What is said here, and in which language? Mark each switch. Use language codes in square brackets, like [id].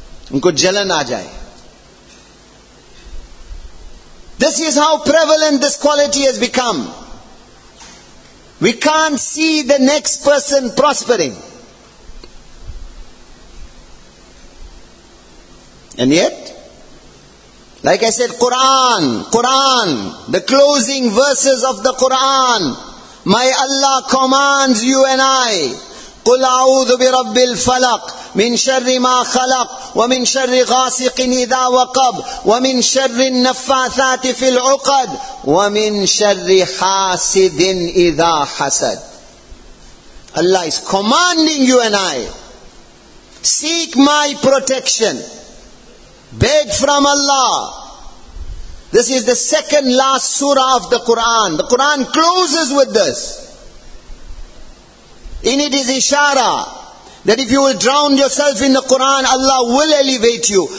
[hi] Unko jalan aa jaye. [en] This is how prevalent this quality has become. We can't see the next person prospering. And yet, like I said, Quran, the closing verses of the Quran, my Allah commands you and I, [ar] قُلْ أَعُوذُ بِرَبِّ الْفَلَقِ مِنْ شَرِّ مَا خَلَقْ وَمِنْ شَرِّ غَاسِقٍ إِذَا وَقَبْ وَمِنْ شَرِّ النَّفَّاثَاتِ فِي الْعُقَدْ وَمِنْ شَرِّ حَاسِدٍ إِذَا حَسَدْ. [en] Allah is commanding you and I, seek my protection. Beg from Allah. This is the second last surah of the Quran. The Quran closes with this. In it is ishara that if you will drown yourself in the Quran, Allah will elevate you.